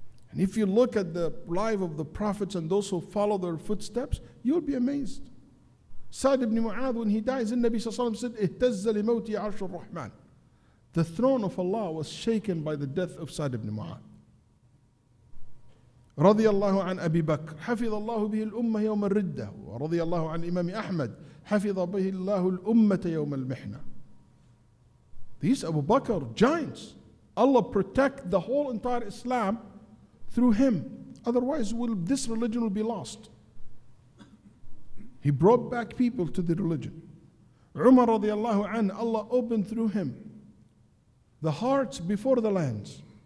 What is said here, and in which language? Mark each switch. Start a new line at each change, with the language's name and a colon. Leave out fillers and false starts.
English: And if you look at the life of the prophets and those who follow their footsteps, you'll be amazed. Sa'd ibn Mu'adh, when he dies, in Nabi Sallallahu Alaihi Wasallam said,
Arabic: "Ihtazza li mawti 'arsh ar-Rahman."
English: The throne of Allah was shaken by the death of Sa'd ibn Mu'adh.
Arabic: رضي الله عن أبي بكر حفظ الله به الأمة يوم الردة ورضي الله عن الإمام أحمد حفظ به الله الأمة يوم المحنة.
English: These Abu Bakr, giants. Allah protect the whole entire Islam through him. Otherwise, this religion will be lost. He brought back people to the religion. Umar
Arabic: رضي الله عنه,
English: Allah opened through him the hearts before the lands.